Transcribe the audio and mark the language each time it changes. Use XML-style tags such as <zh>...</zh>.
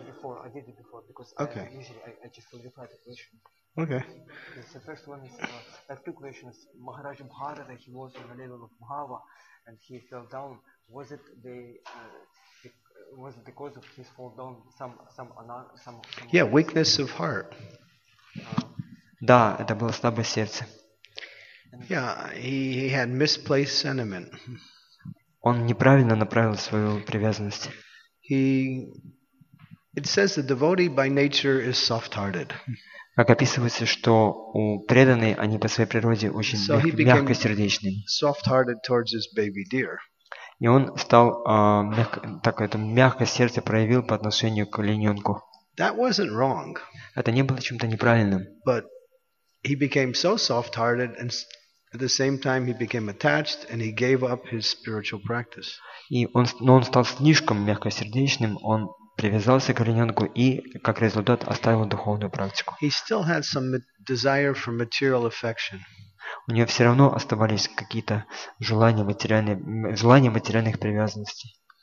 <en>I did it before because okay. I just clarified the question. Okay. The so first one is, two questions. Maharaj Bharata, he was on the level of Bhava and he fell down. Was it the cause of his fall down some Yeah, weakness of heart.</en> <ru>Да, это было слабое сердце.</ru> <en>Yeah, he had misplaced sentiment.</en> <ru>Он неправильно направил свою привязанность.</ru> <en>It says the devotee by nature is soft-hearted.</en> <ru>Как описывается, что у преданных они по своей природе очень мягкосердечны.</ru> <en>Soft-hearted towards his baby deer.</en> <ru>И он стал мягкое сердце проявил по отношению к олененку.</ru> <en>That wasn't wrong.</en> <ru>Это не было чем-то неправильным.</ru> <en>But he became so soft-hearted and at the same time he became attached and he gave up his spiritual practice.</en> <ru>Он стал слишком мягкосердечным, он привязался к олененку и, как результат, оставил духовную практику.</ru> <en>He still had some desire for material affection.</en> <ru>У него все равно оставались какие-то желания материальных привязанностей.</ru>